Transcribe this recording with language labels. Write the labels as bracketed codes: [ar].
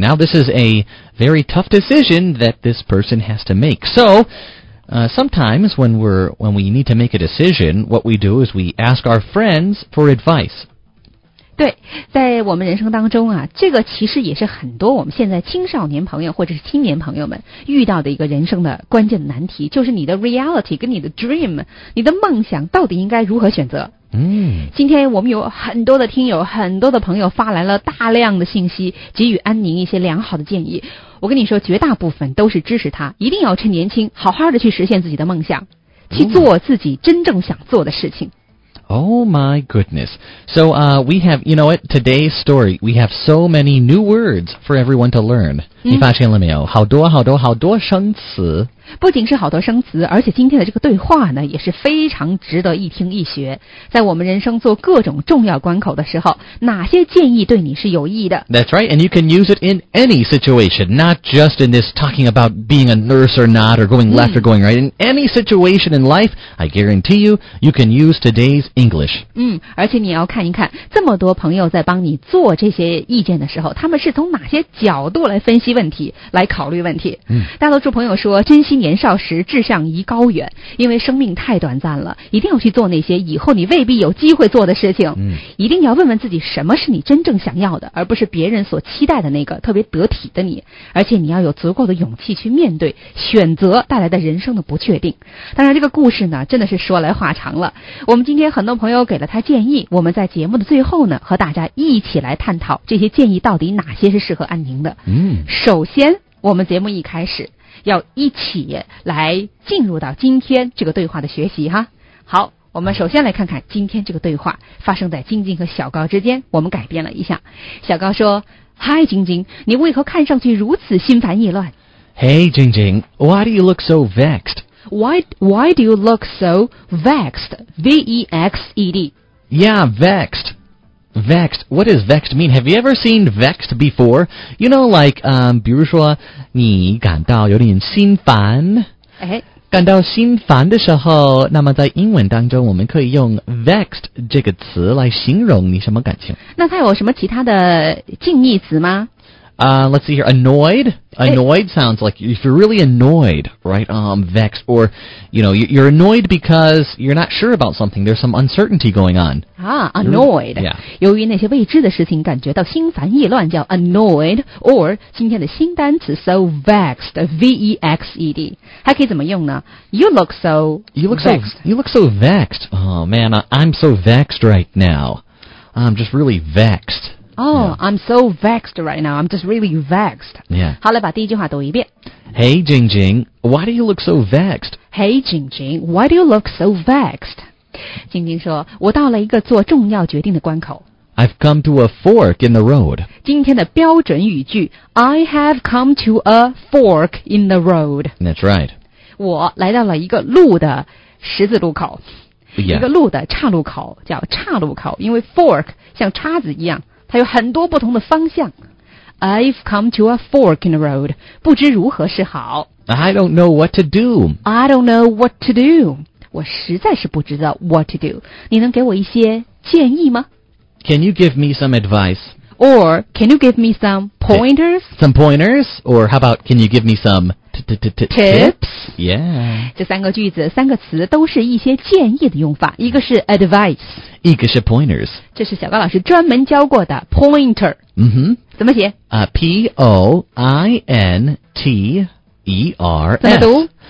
[en] Now this is a very tough decision that this person has to make. So, sometimes when we need to make a decision, what we do is we ask our friends for advice. [zh] 对，在我们人生当中啊，这个其实也是很多我们现在青少年朋友或者是青年朋友们遇到的一个人生的关键的难题，就是你的 reality 跟你的 dream， 你的梦想到底应该如何选择。今天我们有很多的听友，很多的朋友发来了大量的信息，给予安宁一些良好的建议。我跟你说，绝大部分都是支持他一定要趁年轻好好的去实现自己的梦想，去做自己真正想做的事情。 [en] Oh my goodness. So, we have, you know what, today's story, we have so many new words for everyone to learn. [zh] 你发现了没有？好多好多好多生词。不仅是好多生词，而且今天的这个对话呢也是非常值得一听一学。在我们人生做各种重要关口的时候，哪些建议对你是有益的？ [en] That's right, and you can use it in any situation, not just in this talking about being a nurse or not, or going left or going right. In any situation in life, I guarantee you, you can use today's English. [zh] 而且你要看一看，这么多朋友在帮你做这些意见的时候，他们是从哪些角度来分析问题，来考虑问题。大多数朋友说，珍惜年少时，志向宜高远，因为生命太短暂了，一定要去做那些以后你未必有机会做的事情。一定要问问自己，什么是你真正想要的，而不是别人所期待的那个特别得体的你。而且你要有足够的勇气去面对选择带来的人生的不确定。当然这个故事呢真的是说来话长了，我们今天很多朋友给了他建议，我们在节目的最后呢和大家一起来探讨这些建议到底哪些是适合安宁的。首先我们节目一开始要一起来进入到今天这个对话的学习哈。好，我们首先来看看今天这个对话发生在晶晶和小高之间，我们改变了一下。小高说，嗨晶晶，你为何看上去如此心烦意乱？ [en] Hey, 晶晶， why do you look so vexed? Why do you look so vexed? V-E-X-E-D. Yeah, vexed. Vexed. What does vexed mean? Have you ever seen vexed before? You know, like, [zh] 比如说你感到有点心烦。感到心烦的时候，那么在英文当中我们可以用 vexed 这个词来形容你什么感情。那它有什么其他的近义词吗？ [en] Let's see here. Annoyed. Annoyed sounds like if you're really annoyed, right? Vexed. Or, you know, you're annoyed because you're not sure about something. There's some uncertainty going on. Annoyed. Yeah. [zh] 由于那些未知的事情感觉到心烦意乱叫 annoyed. Or 今天的新单词 [en] so vexed. [zh] V-E-X-E-D. 还可以怎么用呢？ [en] You look so vexed. Oh, man, I'm so vexed right now. I'm just really vexed. Oh, yeah. I'm so vexed right now. I'm just really vexed. Yeah. [zh] 好，来把第一句话读一遍。 [en] Hey, Jing Jing, why do you look so vexed? Hey, Jing Jing, why do you look so vexed? [zh] 晶晶说，我到了一个做重要决定的关口。 [en] I've come to a fork in the road. [zh] 今天的标准语句 [en] I have come to a fork in the road. That's right. [zh] 我来到了一个路的十字路口。 [en] Yeah. [zh] 一个路的岔路口叫岔路口，因为 fork 像叉子一样。它有很多不同的方向。 [en] I've come to a fork in the road. [zh] 不知如何是好。 [en] I don't know what to do. I don't know what to do. [zh] 我实在是不知道 [en] what to do. [zh] 你能给我一些建议吗？ [en] Can you give me some advice? Or can you give me some pointers? Some pointers? Or how about can you give me some tips? Yeah. [zh] 这三个句子，三个词都是一些建议的用法。一个是 advice. 一个是 pointers，这是小高老师专门教过的 pointer。嗯哼，怎么写？ [en] P-O-I-N-T-E-R-S。 [zh] 怎么读